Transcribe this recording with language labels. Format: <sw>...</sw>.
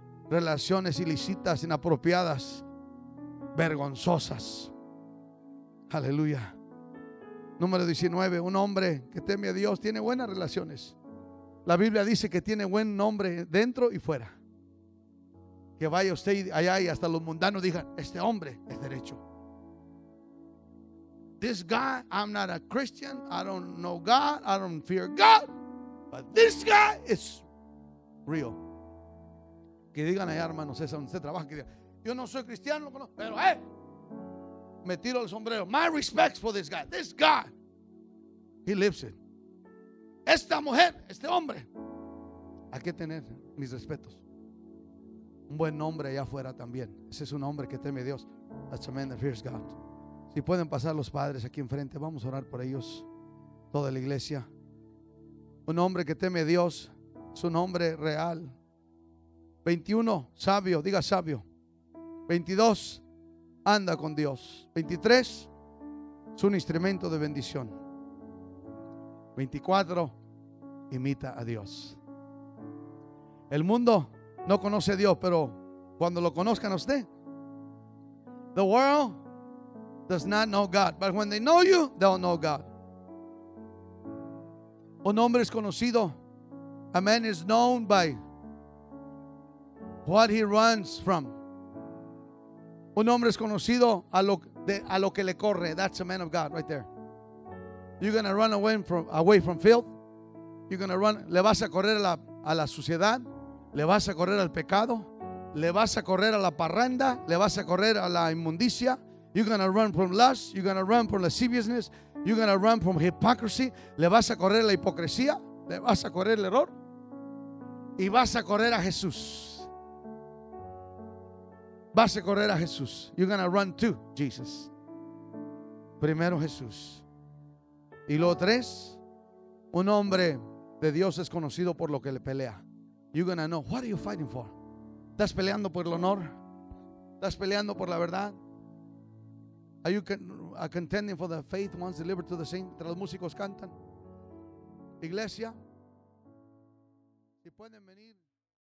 <es>Relaciones ilícitas, inapropiadas, vergonzosas. Aleluya. Número 19. Un hombre que teme a Dios tiene buenas relaciones. La Biblia dice que tiene buen nombre dentro y fuera. Que vaya usted allá y hasta los mundanos digan, este hombre es derecho.</es> <en>This guy, I'm not a Christian, I don't know God, I don't fear God, but this guy is real.</en> <es>Que digan allá, hermanos, esa donde usted trabaja, que digan, yo no soy cristiano, pero me tiro el sombrero.</es> <en>My respects for this guy. This guy, he lives it.</en> <es>Esta mujer, este hombre, hay que tener mis respetos. Un buen nombre allá afuera también. Ese es un hombre que teme a Dios.</es> <en>That's a man that fears God.</en> <es>Si pueden pasar los padres aquí enfrente, vamos a orar por ellos, toda la iglesia. Un hombre que teme a Dios es un hombre real. 21, sabio, diga sabio. 22, anda con Dios. 23, es un instrumento de bendición. 24, imita a Dios. El mundo no conoce a Dios, pero cuando lo conozcan a usted.</es> <en>The world does not know God, but when they know you, they'll know God.</en> <es>Un hombre es conocido.</es> <en>A man is known by what he runs from.</en> <es>Un hombre es conocido a lo que le corre.</es> <en>That's a man of God right there. You're going to run away from filth. You're going to run.</en> <es>Le vas a correr a la suciedad. Le vas a correr al pecado. Le vas a correr a la parranda. Le vas a correr a la inmundicia.</es> <en>You're going to run from lust. You're going to run from lasciviousness. You're going to run from hypocrisy.</en> <es>Le vas a correr la hipocresía. Le vas a correr el error. Y vas a correr a Jesús. Vas a correr a Jesús.</es> <en>You're going to run to Jesus.</en> <es>Primero Jesús. Y luego tres. Un hombre de Dios es conocido por lo que le pelea.</es> <en>You're going to know. What are you fighting for?</en> <es>¿Estás peleando por el honor? ¿Estás peleando por la verdad?</es> <en>Are you contending for the faith once delivered to the saint?</en> <es>¿Entre los músicos cantan? Iglesia. Si pueden venir.</es>